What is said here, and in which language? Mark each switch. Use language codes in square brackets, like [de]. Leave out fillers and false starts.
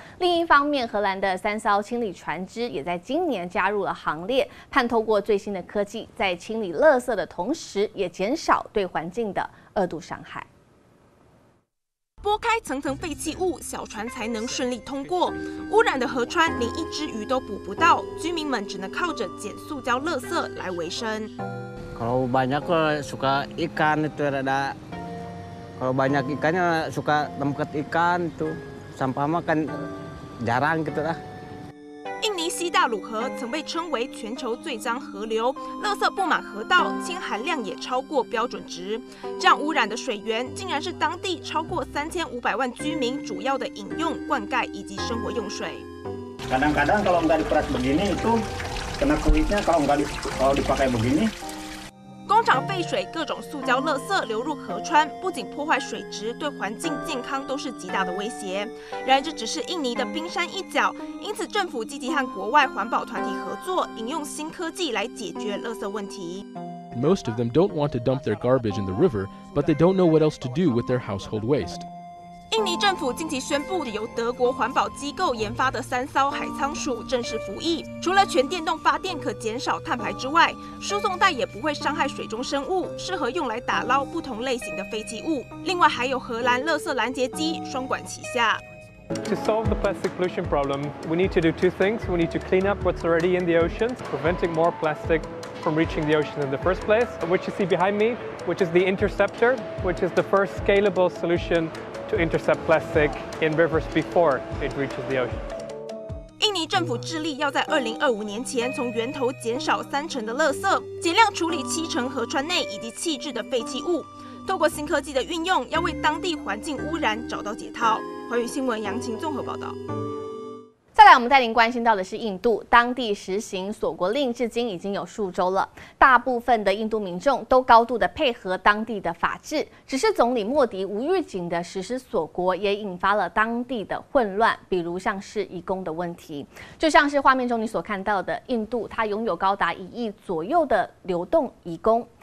[zh] 另一方面，荷兰的3艘清理船只也在今年加入了行列，盼透过最新的科技，在清理垃圾的同时也减少对环境的二度伤害。拨开层层废弃物，小船才能顺利通过。污染的河川连一只鱼都捕不到，居民们只能靠着捡塑胶垃圾来维生。 [id] Kalau banyak suka ikan itu ada, kalau banyak ikannya suka tempat ikan itu, sampah makan jarang gitu lah. [zh] 印尼西大鲁河曾被称为全球最脏河流，垃圾布满河道，铅含量也超过标准值。这样污染的水源，竟然是当地超过3500万居民主要的饮用、灌溉以及生活用水。 [id] Kadang-kadang kalau nggak diperas begini itu kena kulitnya kalau dipakai begini. [zh] 工厂废水、各种塑胶垃圾流入河川，不仅破坏水质，对环境健康都是极大的威胁。然而，这只是印尼的冰山一角，因此政府积极和国外环保团体合作，引用新科技来解决垃圾问题。 [en] Most of them don't want to dump their garbage in the river, but they don't know what else to do with their household waste. [zh] 印尼政府近期宣布，由德国环保机构研发的三艘海仓鼠正式服役。除了全电动发电可减少碳排之外，输送带也不会伤害水中生物，适合用来打捞不同类型的废弃物。另外还有荷兰垃圾拦截机双管齐下。 [en] To solve the plastic pollution problem, we need to do two things. We need to clean up what's already in the oceans, preventing more plastic from reaching the ocean in the first place. What you see behind me, which is the Interceptor, which is the first scalable solution to intercept plastic in rivers before it reaches the ocean. [zh] 印尼政府致力要在2025年前从源头减少三成的垃圾，减量处理七成河川内以及弃置的废弃物。透过新科技的运用，要为当地环境污染找到解套。环宇新闻杨晴综合报道。再来，我们带您关心到的是印度，当地实行锁国令至今已经有数周了，大部分的印度民众都高度的配合当地的法治，只是总理莫迪无预警的实施锁国，也引发了当地的混乱，比如像是移工的问题，就像是画面中你所看到的，印度它拥有高达1亿左右的流动移工，